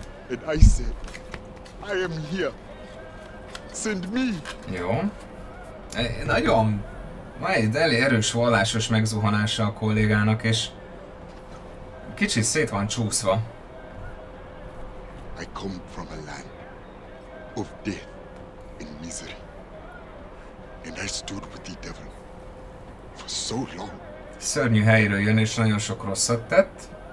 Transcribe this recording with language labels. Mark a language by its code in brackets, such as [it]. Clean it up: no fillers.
[en] And I said, I am here. Send me. [hu] Jó. Nagyon. Van egy elég erős vallásos megzuhanása a kollégának, és kicsit szét van csúszva. [en] I come from a land of death and misery. And I stood with the devil for so long. [hu] Szörnyű helyről jön, és nagyon sok rosszat tett.